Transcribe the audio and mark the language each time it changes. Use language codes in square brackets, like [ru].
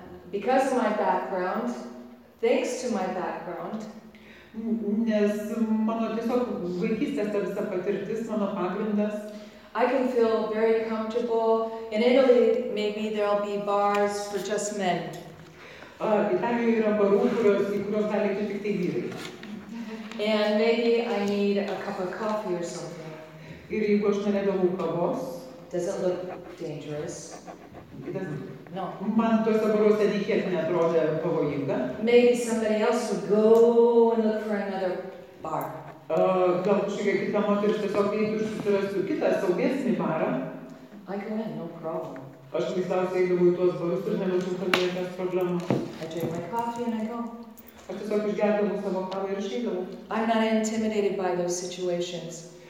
[en] Because of my background, thanks to my background. [lt] Nes mano tiesiog vaikystės ta visa patirtis, mano pagrindas. [en] I can feel very comfortable. In Italy, maybe there'll be bars for just men. [lt] Italijoje yra barų, kurios gali būti tik tai vyrai. [en] And maybe I need a cup of coffee or something. [lt] Ir jeigu aš nenegavau kavos. [en] Does it look dangerous? No. [lt] Man tos dabaros etiketė neatrodė pavojinga. [en] Maybe somebody else would go and look for another bar. [lt] Gal kažkokia kita moteris tiesiog eitų ir susirastų kitą saugesnį barą. [en] I go in, no problem. [lt] Aš visąlaik eidavau į tuos barus ir nemačiau, kad yra tas problema. [en] I drink my coffee and I go. [lt] Aš tiesiog išgerdavau savo kavą ir išeidavau. [en] I'm not intimidated by those situations.